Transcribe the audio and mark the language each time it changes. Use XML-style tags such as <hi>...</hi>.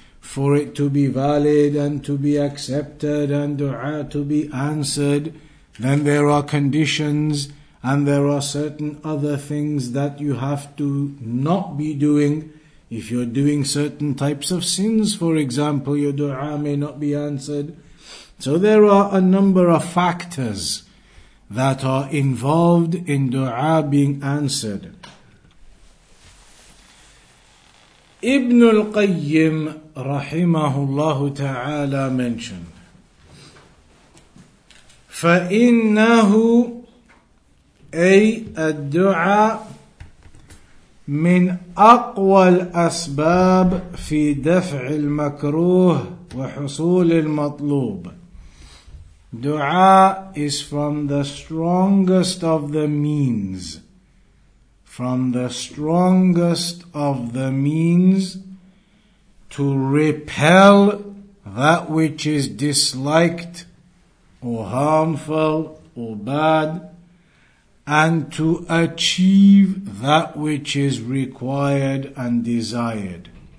<en>For it to be valid and to be accepted and dua to be answered, then there are conditions and there are certain other things that you have to not be doing. If you're doing certain types of sins, for example, your dua may not be answered. So there are a number of factors that are involved in dua being answered. Ibn al-Qayyim rahimahullahu ta'ala mentioned,</en> <ar>فَإِنَّهُ أي الدعاء من أقوى الأسباب في دفع المكروه وحصول المطلوب.</ar> <en>Dua is from the strongest of the means. From the strongest of the means to repel that which is disliked or harmful or bad, and to achieve that which is required and desired.</en>